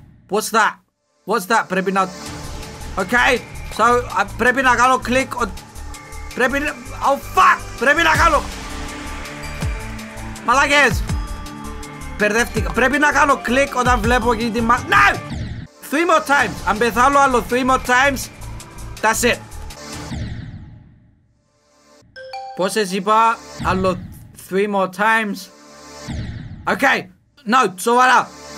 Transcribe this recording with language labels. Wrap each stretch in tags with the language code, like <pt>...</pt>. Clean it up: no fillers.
<en>What's that? What's that?</en> <el>Πρέπει να...</el> <en>Okay!</en> <el>So, πρέπει να κάνω click... Πρέπει να...</el> <en>Oh fuck!</en> <el>Πρέπει να κάνω... Μαλάκες! Μπερδεύτηκα. Πρέπει να κάνω click όταν βλέπω εκείνη την μάχη.</el> <en>No! Three more times!</en> <el>Αν πεθάνω άλλο</el> <en>3 more times, that's it.</en> <el>Πόσες είπα, άλλο</el> <en>3 more times. Okay, no, σοβαρά.</en>